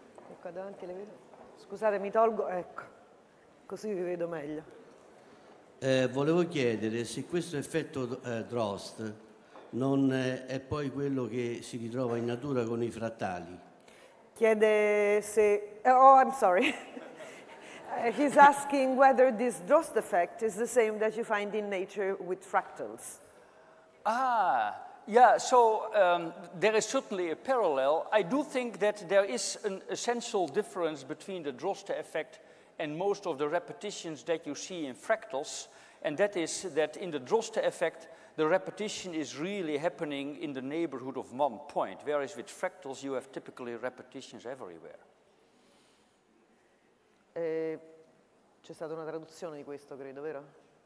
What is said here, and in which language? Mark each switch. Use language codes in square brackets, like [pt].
[it] Ecco, davanti le vedo. Scusate, mi tolgo, ecco. Così vi vedo meglio. Volevo chiedere se questo effetto Drost... non è poi quello che si ritrova in natura con i frattali. Chiede se... [en] Oh, I'm sorry. He's asking whether this Drost effect is the same that you find in nature with fractals. Ah, yeah, so there is certainly a parallel. I do think that there is an essential difference between the Drost effect and most of the repetitions that you see in fractals, and that is that in the Drost effect, the repetition is really happening in the neighborhood of one point, whereas with fractals you have typically repetitions everywhere. [it] C'è stata una traduzione di questo, credo, vero?